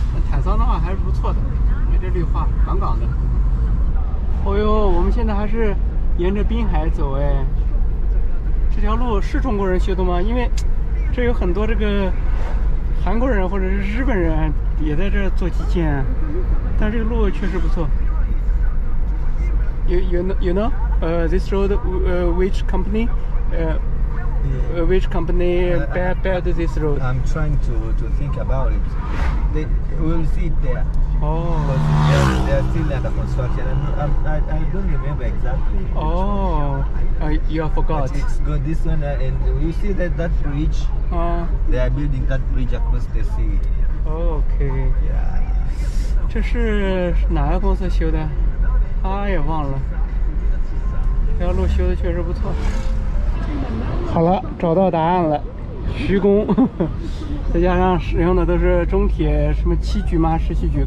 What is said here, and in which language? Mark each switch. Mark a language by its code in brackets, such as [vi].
[zh] 坦桑的话还是不错的，因为这绿化杠杠的。哦呦，我们现在还是沿着滨海走。哎，这条路是中国人修的吗？因为这有很多这个韩国人或者是日本人也在这做基建，但这个路确实不错。 [en] This road, which company, which company built this road? I'm trying to think about it. We'll see it there. Oh. They're still under construction. I don't remember exactly. Oh, you forgot. It's good. This one, and you see that bridge? They are building that bridge across the sea. [zh] OK， 这是哪个公司修的？也忘了。这条路修的确实不错。好了，找到答案了，徐工，再加上使用的都是中铁，什么七局吗？十七局？